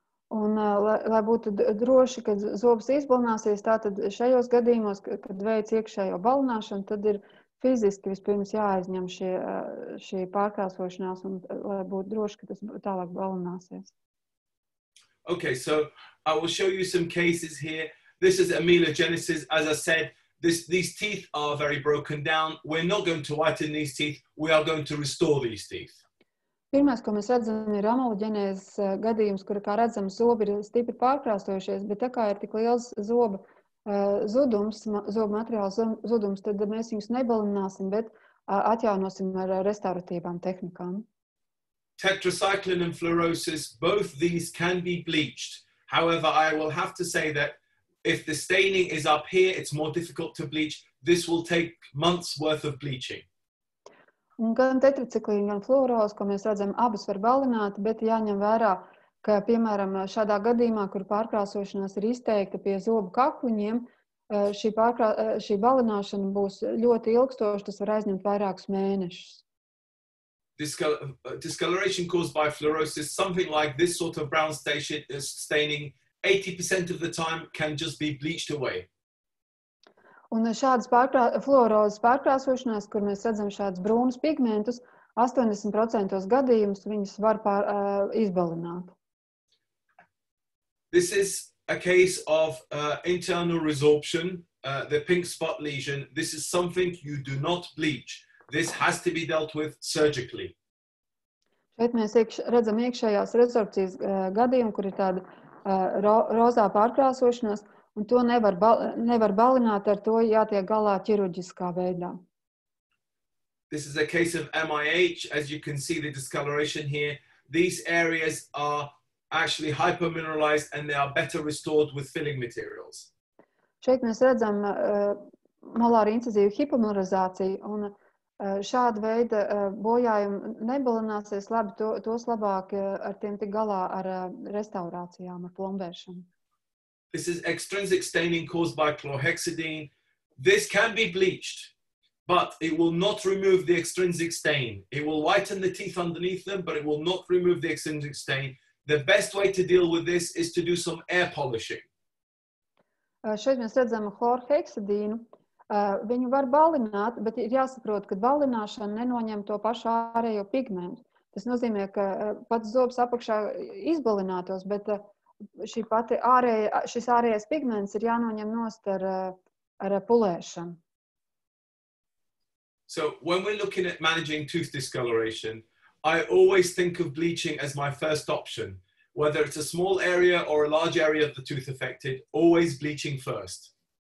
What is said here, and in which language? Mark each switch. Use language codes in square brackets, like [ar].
[lv] Un lai būtu droši, kad zobs izbalināsies, tātad šajos gadījumos, kad veic iekšējo balināšanu, tad ir fiziski vispirms jāaizņem šie pārkrāsošanās, un lai būtu droši, ka tas tālāk balināsies. [en] Okay, so I will show you some cases here. This is amelogenesis. As I said, these teeth are very broken down. We're not going to whiten these teeth. We are going to restore these teeth. [lv] Pirmais, ko mēs redzam, ir amelogenēzes gadījums, kur, kā redzam, zobi ir stipri pārkrāsojušies, bet tā kā ir tik liels zoba zudums, zoba materiāla zudums, tad mēs viņus nebalināsim, bet atjaunosim ar restauratīvām tehnikām. [en] Tetracycline and fluorosis, both these can be bleached. However, I will have to say that if the staining is up here, it's more difficult to bleach. This will take months worth of bleaching. [lv] Un gan tetracycline, gan fluorosis, ko mēs redzam, abas var balināt, bet jāņem vērā, ka, piemēram, šādā gadījumā, kur pārkrāsošanās ir izteikta pie zobu kakliņiem, šī balināšana būs ļoti ilgstoša, tas var aizņemt vairākus mēnešus. [en] Discoloration caused by fluorosis, something like this sort of brown staining, 80% of the time can just be bleached away. [lv] Un šādas fluorozes pārkrāsošanās, kur mēs redzam šādas brūnas pigmentus, 80% gadījumus viņus var izbalināt. [en] This is a case of internal resorption, the pink spot lesion. This is something you do not bleach. This has to be dealt with surgically. [lv] Bet mēs redzam iekšējās rezorpcijas gadījumu, kur ir tāda rozā pārkrāsošanās, un to nevar balināt, ar to jātiek galā ķirurģiskā veidā. [en] This is a case of MIH, as you can see the discoloration here. These areas are actually hypermineralized and they are better restored with filling materials. [lv] Šeit mēs redzam malāra incizīvu hipomineralizāciju, un šāda veida bojājumi nebalināsies labi, tos labāk ar tiem tik galā ar restaurācijām, ar plombēšanu. [en] This is extrinsic staining caused by chlorhexidine. This can be bleached, but it will not remove the extrinsic stain. It will whiten the teeth underneath them, but it will not remove the extrinsic stain. The best way to deal with this is to do some air polishing. [lv] Šeit mēs redzam chlorhexidīnu. Viņu var balināt, bet ir jāsaprot, ka balināšana nenoņem to pašu ārējo pigmentu. Tas nozīmē, ka pats zobs apakšā izbalinātos, bet šī pati ārēja, šis ārējais pigments ir jānoņem nost ar, ar pulēšanu. [en] So when we're looking at managing tooth discoloration, I always think of bleaching as my first option. Whether it's a small area or a large area of the tooth affected, always bleaching first.